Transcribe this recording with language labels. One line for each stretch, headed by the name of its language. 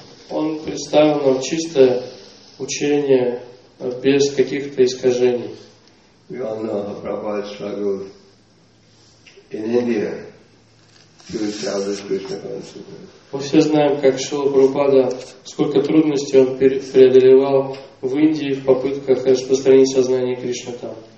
Russian: Он представил нам чистое учение без каких-то искажений.
English: We all know how Prabhupada struggled in India to establish Krishna consciousness.
Russian: Мы все знаем, как Шрила Прабхупада, сколько трудностей он преодолевал в Индии в попытках распространить сознание Кришны там.